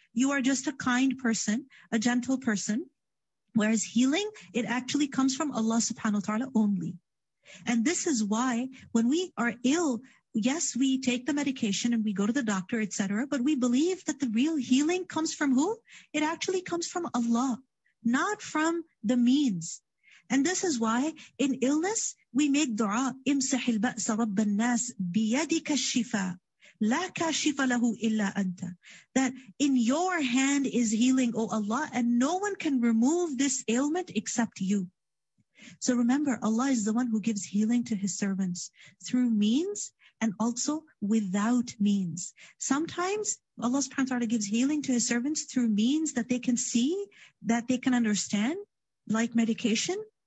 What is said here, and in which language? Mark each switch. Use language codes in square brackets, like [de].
[en] You are just a kind person, a gentle person. Whereas healing, it actually comes from Allah subhanahu wa ta'ala only. And this is why when we are ill, yes, we take the medication and we go to the doctor, etc. But we believe that the real healing comes from who? It actually comes from Allah, not from the means. And this is why in illness, we make dua, [ar] امسح البأس رب الناس بيدك الشفاء لا كاشف له إلا أنت. [en] That in your hand is healing, O Allah, and no one can remove this ailment except you. So remember, Allah is the one who gives healing to his servants through means and also without means. Sometimes Allah subhanahu wa ta'ala gives healing to his servants through means that they can see, that they can understand, like medication.